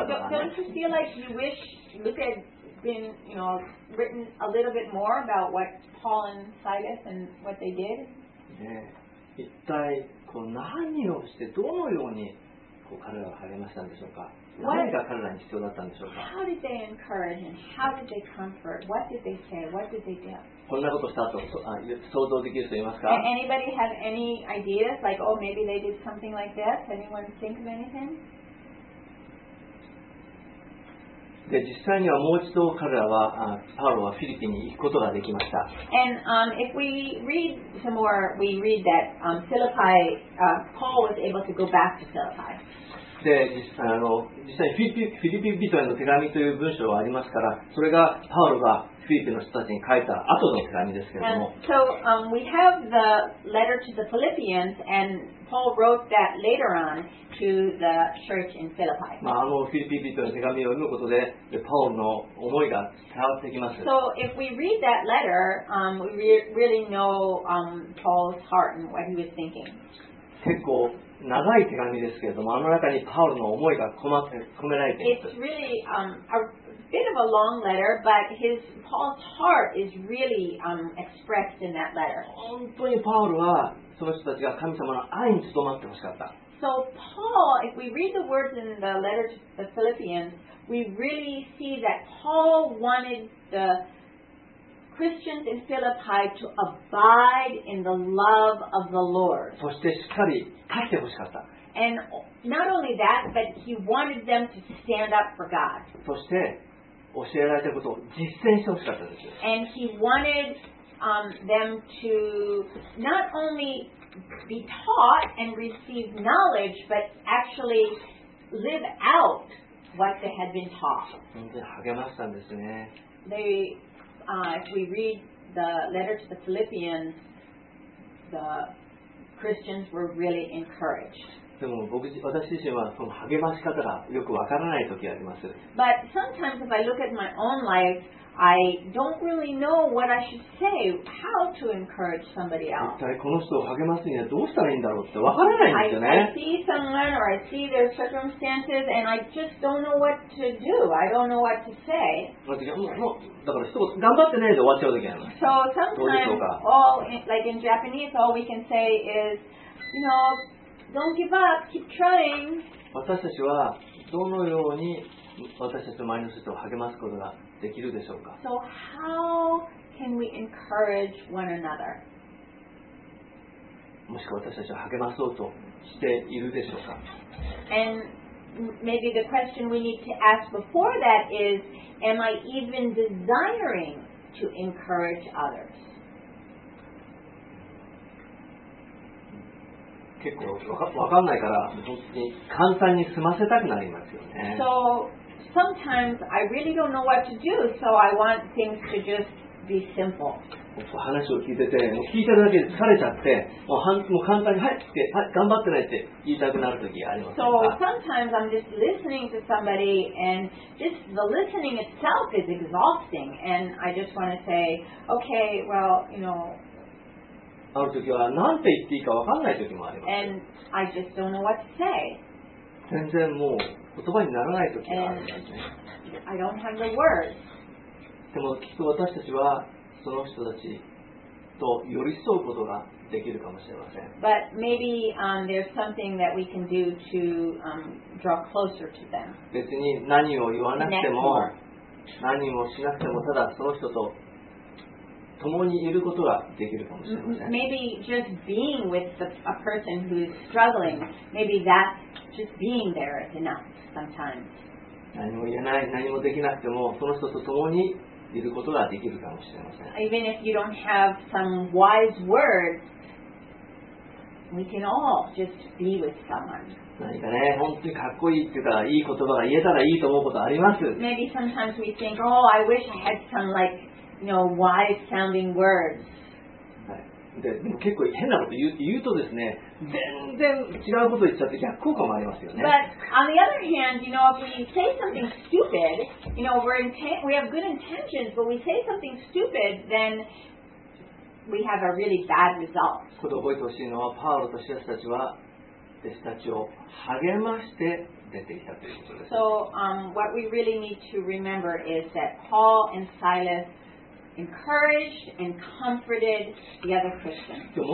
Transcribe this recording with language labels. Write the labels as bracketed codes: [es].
[en] Don't you feel like you wish Luke had been, you know, written a little bit more about what Paul and Silas and what they did? Yeah. [ja] 一体こう何をしてどのようにこう彼らを励ましたんでしょうか。何が彼らに必要だったんでしょうか。 [en] How did they encourage and how did they comfort? What did they say? What did they do? [ja] こんなことしたと想像できる人いますか? [en] Anybody have any ideas? Like, oh, maybe they did something like this? Anyone think of anything? [ja] で、実際にはもう一度彼らは、パウロはフィリピンに行くことができました。 [en] And if we read some more, we read that Philippi, Paul was able to go back to Philippi. [ja] で実際にフィリピン人への手紙という文章がありますから、それがパウロがフィリピンの人たちに書いた後の手紙ですけれども。 [en] So, we have the letter to the Philippians, and Paul wrote that later on to the church in Philippi. [ja] まあ、あのフィリピン人への手紙を読むことで、パウロの思いが伝わってきます。 [en] So, if we read that letter, we really know Paul's heart and what he was thinking. [ja] 結構長い手紙ですけれども、あの中にパウロの思いが込められています [en] 。It's really a bit of a long letter, but Paul's heart is really expressed in that letter. [ja] 本当にパウロはその人たちが神様の愛に留まってほしかった。 [en] So Paul, if we read the words in the letter to the Philippians, we really see that Paul wanted the Christians in Philippi to abide in the love of the Lord. [ja] そしてしっかり立ってほしかった。 [en] And not only that, but he wanted them to stand up for God. [ja] そして教えられたことを実践してほしかったです。 [en] And he wanted them to not only be taught and receive knowledge, but actually live out what they had been taught. [ja] 本当に励ましたんですね。 [en] If we read the letter to the Philippians, the Christians were really encouraged. [ja] でも私自身はその励まし方がよくわからない時があります。 [en] But sometimes if I look at my own life, I don't really know what I should say, how to encourage somebody else. [ja] 一体この人を励ますにはどうしたらいいんだろうってわからないんですよね。 [en] I see someone or I see their circumstances and I just don't know what to do. I don't know what to say. [ja] だから一言頑張ってねえで終わっちゃう時があります。 [en] So sometimes, all like in Japanese, all we can say is, you know,Don't give up. Keep trying. [ja] 私たちはどのように私たちの周りの人を励ますことができるでしょうか。 [en] So how can we encourage one another? [ja] もしくは私たちを励まそうとしているでしょうか。 [en] And maybe the question we need to ask before that is, am I even desiring to encourage others? [ja] 結構わかんないから簡単に済ませたくなりますよね。 [en] So sometimes I really don't know what to do, so I want things to just be simple. [ja] 話を聞いてて、もう聞いただけで疲れちゃって、もう簡単に、はい、つけ、はい、頑張ってないって言いたくなるときありますか? [en] So sometimes I'm just listening to somebody and just the listening itself is exhausting and I just want to say, okay, well, you know, [ja] あるときは何て言っていいか分かんないときもあります。 [en] And I just don't know what to say. [ja] 全然もう言葉にならないときがあるんですね。 [en] I don't have the words. [ja] でもきっと私たちはその人たちと寄り添うことができるかもしれません。 [en] But maybe, there's something that we can do to, draw closer to them. [ja] 別に何を言わなくても、何をしなくても、ただその人と共にいることができるかもしれません。 [en] Maybe just being with a person who's struggling, maybe that just being there is enough sometimes. [ja] 何も言えない、何もできなくても、その人と共にいることができるかもしれません。 [en] Even if you don't have some wise words, we can all just be with someone. [ja] 何かね、本当にかっこいいっていうか、いい言葉が言えたらいいと思うことあります。 [en] Maybe sometimes we think, oh, I wish I had some, like, you know, wise sounding words. [ja] で、でも結構変なこと言うとですね、全然違うこと言っちゃって逆効果もありますよね。 [en] But on the other hand, you know, if we say something stupid, you know, we have good intentions, but we say something stupid, then we have a really bad result. [ja] ここで覚えてほしいのは、パウロとシラスたちは弟子たちを励まして出てきたということです。 [en] So, what we really need to remember is that Paul and Silas encouraged and comforted the other Christians.